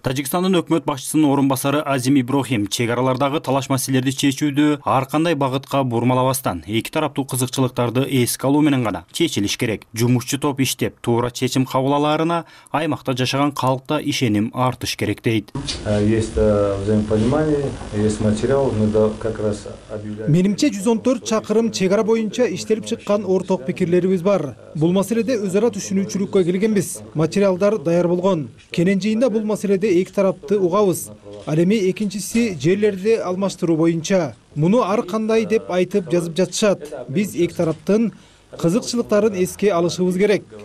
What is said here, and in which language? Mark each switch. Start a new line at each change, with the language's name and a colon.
Kyrgyz: Тажикстандын өкмөт башчысынын орун басары Азим Иброхим чек аралардагы талаш маселелерди чечүүдө ар кандай багытка бурмалабастан, эки тараптуу кызыкчылыктарды эске алуу менен гана чечилиш керек. Жумушчу топ иштеп, туура чечим кабыл алаарына аймакта жашаган калкта ишеним артыш керек дейт.
Russian: Есть взаимопонимание, есть материал, мы да как раз объявляем.
Kyrgyz: Менимче 114 чакырым чек ара боюнча иштелип чыккан орток пикирлерибиз бар. Бул маселеде өз ара түшүнүүчүлүккө келгенбиз. Материалдар даяр болгон. Кенен жыйында бул маселеде эки тарапты угабыз. Ал эми экинчиси жерлерди алмаштыруу боюнча. Муну ар кандай деп айтып жазып жатышат. Биз эки тараптын кызыкчылыктарын эске алышыбыз керек.